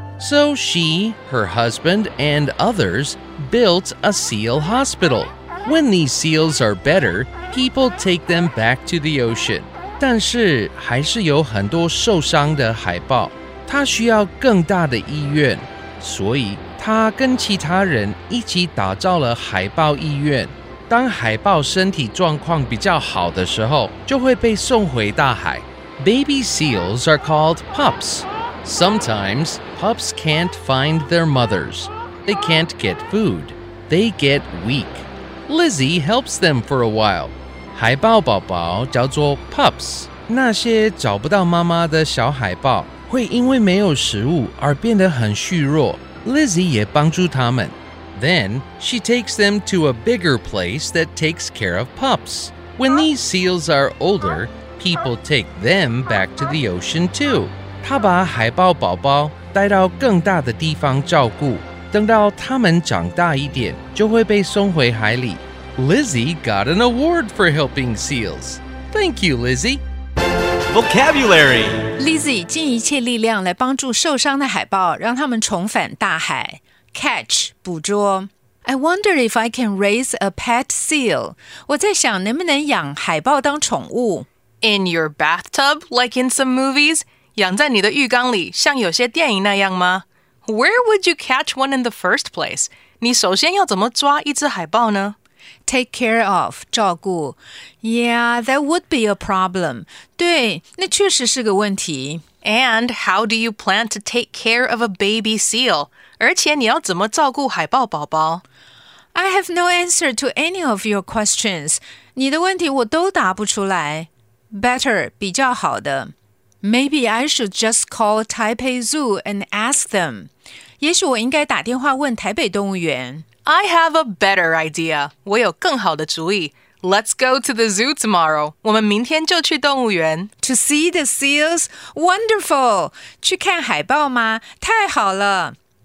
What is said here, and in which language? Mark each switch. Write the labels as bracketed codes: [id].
[en] So she, her husband, and others built a seal hospital. When these seals are better, people take them back to the ocean. [zh] 但是还是有很多受伤的海豹，它需要更大的医院，所以它跟其他人一起打造了海豹医院。当海豹身体状况比较好的时候，就会被送回大海。 [en] Baby seals are called pups. Sometimes pups can't find their mothers. They can't get food. They get weak. Lizzi helps them for a while. [zh] 海豹宝宝叫做 Pups， 那些找不到妈妈的小海豹会因为没有食物而变得很虚弱。 Lizzi 也帮助他们。 [en] Then she takes them to a bigger place that takes care of pups. When these seals are older, people take them back to the ocean too. [zh] 她把海豹宝宝带到更大的地方照顾，等到他们长大一点就会被送回海里。 [en] Lizzi got an award for helping seals. Thank you, Lizzi. Vocabulary. [zh] Lizzi 尽一切力量来帮助受伤的海豹，让他们重返大海。 [en] Catch 捕捉。 I wonder if I can raise a pet seal. [zh] 我在想能不能养海豹当宠物。 [en] In your bathtub, like in some movies? [zh] 养在你的浴缸里，像有些电影那样吗？ [en] Where would you catch one in the first place? [zh] 你首先要怎么抓一只海豹呢？ [en] Take care of, 照顾。Yeah, that would be a problem. [zh] 对，那确实是个问题。 [en] And how do you plan to take care of a baby seal? [zh] 而且你要怎么照顾海豹宝宝？ [en] I have no answer to any of your questions. [zh] 你的问题我都答不出来。 [en] Better, 比较好的。 Maybe I should just call Taipei Zoo and ask them. [zh] 也许我应该打电话问台北动物园。 [en] I have a better idea. [zh] 我有更好的主意。 [en] Let's go to the zoo tomorrow. [zh] 我们明天就去动物园。 [en] To see the seals? Wonderful! [zh] 去看海豹吗？太好了！